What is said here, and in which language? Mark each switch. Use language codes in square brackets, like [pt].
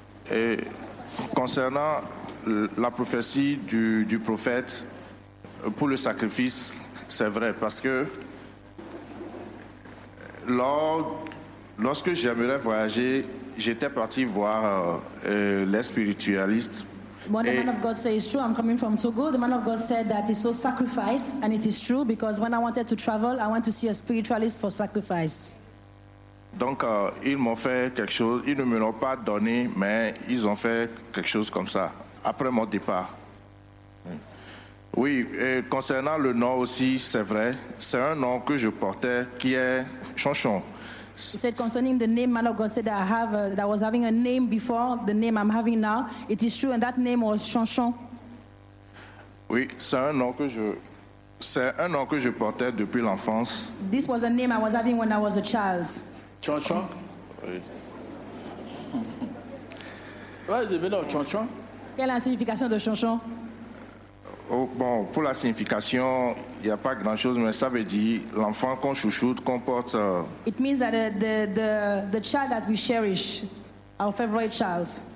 [fr] Et concernant la prophétie du prophète pour le sacrifice, c'est vrai, parce que lorsque j'aimerais voyager, j'étais parti voir les spiritualistes. [en] When the man of God said, it's true, I'm coming from Togo. The man of God said that it's so sacrifice, and it is true, because when I wanted to travel, I went to see a spiritualist for sacrifice. [fr] Donc, ils m'ont fait quelque chose. Ils ne me l'ont pas donné, mais ils ont fait quelque chose comme ça, après mon départ. Oui, et concernant le nom aussi, c'est vrai. C'est un nom que je portais qui est Chonchon. [en] He said concerning the name, man of God said that I was having a name before the name I'm having now. It is true, and that name was Chonchon. [fr] Oui, c'est un nom que je portais depuis l'enfance. [en] This was a name I was having when I was a child. Chonchon? [fr] Oui. [en] Where is the meaning of Chonchon? [fr] Quelle est la signification de Chonchon? Oh, bon, pour la signification, il n'y a pas grand-chose, mais ça veut dire l'enfant qu'on chouchoute, qu'on porte. [en] It means that the child that we cherish, our favorite child.